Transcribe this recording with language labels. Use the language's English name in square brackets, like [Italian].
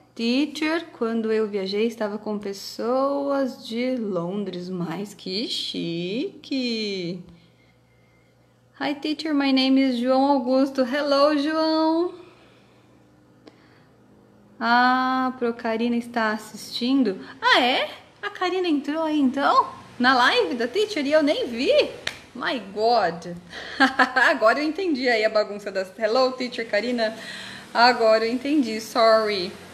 [Portuguese] Teacher, quando eu viajei, estava com pessoas de Londres, mas que chique! [English] Hi, teacher, my name is João Augusto. Hello, João! [Portuguese] Ah, Procarina está assistindo? Ah, é? A Karina entrou aí então? Na live da teacher e eu nem vi! [English] My God! [Portuguese] Agora eu entendi aí a bagunça das. [English] Hello, teacher Karina! [Portuguese] Agora eu entendi, [English] sorry!